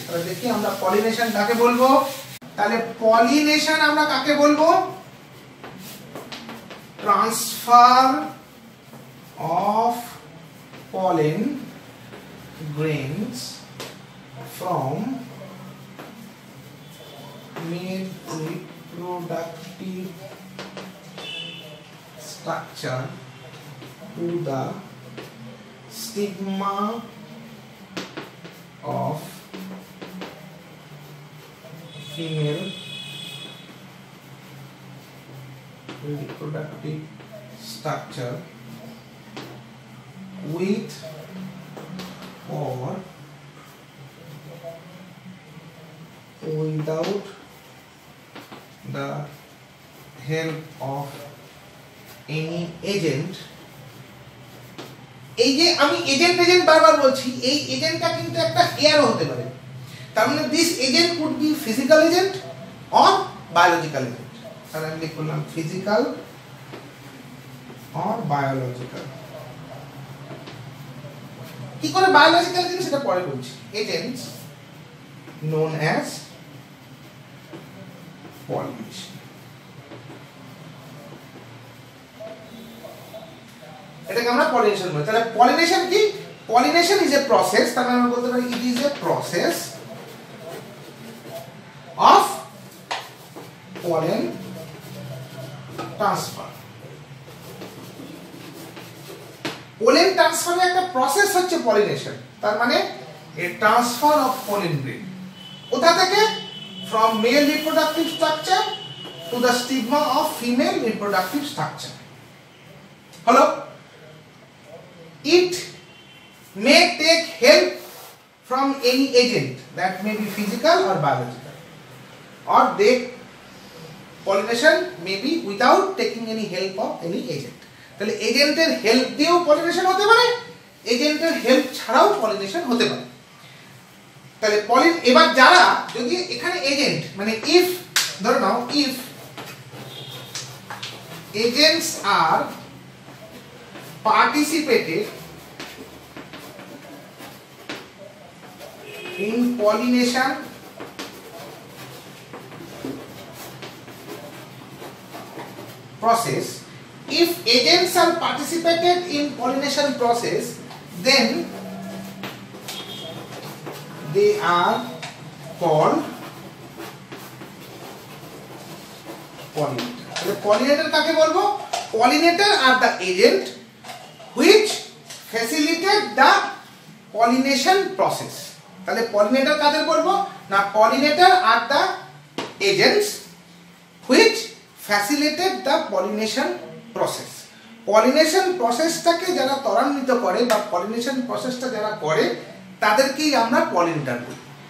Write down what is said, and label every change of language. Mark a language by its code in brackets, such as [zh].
[bn] তাহলে দেখি আমরা পলিনেশন কাকে বলবো, তাহলে পলিনেশন আমরা কাকে বলবো, [en] Transfer of pollen grains from male to reproductive structure to the stigma of female reproductive structure with or without the help of any agent. [bn] এই যে আমি এজেন্ট এজেন্ট বারবার বলছি, এই এজেন্টটা কিন্তু একটা এয়ারও হতে পারে, তার মানে [en] This agent could be physical agent or biological agent. [bn] তাহলে আমি লিখ করলাম ফিজিক্যাল অর বায়োলজিক্যাল। কি করে বায়োলজিক্যাল এজেন্ট সেটা পরে বলছি। [en] agents known as pollination, [bn] এটাকে আমরা পলিনেশন বলি। তাহলে পলিনেশন কি? [en] pollination is a process, [bn] তাহলে আমরা বলতে পারি [en] It is a process of pollen transfer. [bn] Pollen ট্রান্সফারের একটা প্রসেস হচ্ছে পলিনেশন, তার মানে [en] a transfer of pollen grain [bn] কোথা থেকে? [en] From male reproductive structure to the stigma of female reproductive structure. Hello, it may take help from any agent that may be physical or biological, or they pollination may be without taking any help of any agent. [bn] তাহলে এজেন্টের help দিয়েও pollination হতে পারে, এজেন্টের help ছাড়াও pollination হতে পারে। তাহলে পলিন, এবার যারা যদি এখানে এজেন্ট মানে ইফ ধরে নাও, [en] If agents are participated in pollination process, if agents are participated in pollination process, then they are called pollinator. The pollinator [bn] kake bolbo? [en] Pollinator are the agent which facilitated the pollination process. [bn] তাহলে পলিনেটর কাদের বলবো? [en] না, pollinator are the agents which facilitated the pollination process. [bn] Pollination প্রসেসটাকে যারা ত্বরান্বিত করে বা pollination প্রসেসটা যারা করে তাদেরকেই আমরা পলিনেটর বলি।